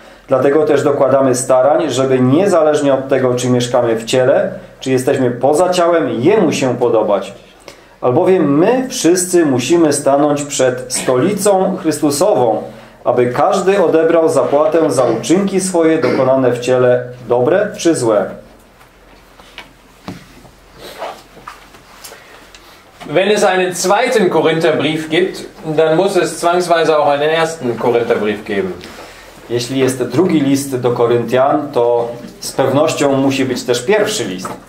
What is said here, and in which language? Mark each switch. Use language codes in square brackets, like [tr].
[pl] Dlatego też dokładamy starań, żeby niezależnie od tego, czy mieszkamy w ciele, czy jesteśmy poza ciałem, Jemu się podobać. Albowiem my wszyscy musimy stanąć przed stolicą Chrystusową, aby każdy odebrał zapłatę za uczynki swoje dokonane w ciele, dobre czy złe. [de] Wenn es einen zweiten Korintherbrief gibt, dann muss es zwangsweise auch einen ersten Korintherbrief geben. [pl] Jeśli jest drugi list do Koryntian, to z pewnością musi być też pierwszy list.